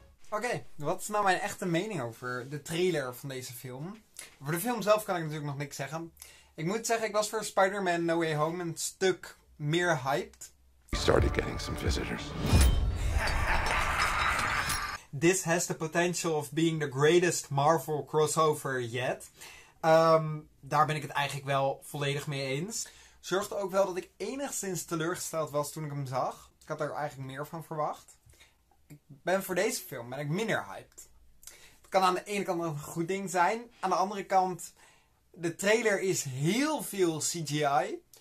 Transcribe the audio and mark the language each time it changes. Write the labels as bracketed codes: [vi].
[nl] Oké, wat is nou mijn echte mening over de trailer van deze film? Over de film zelf kan ik natuurlijk nog niks zeggen. Ik moet zeggen, ik was voor Spider-Man No Way Home een stuk meer hyped. [en] We started getting some visitors. This has the potential of being the greatest Marvel crossover yet. [nl] Daar ben ik het eigenlijk wel volledig mee eens. Zorgde ook wel dat ik enigszins teleurgesteld was toen ik hem zag. Ik had er eigenlijk meer van verwacht. Ik ben voor deze film ben ik minder hyped. Het kan aan de ene kant een goed ding zijn. Aan de andere kant, de trailer is heel veel CGI.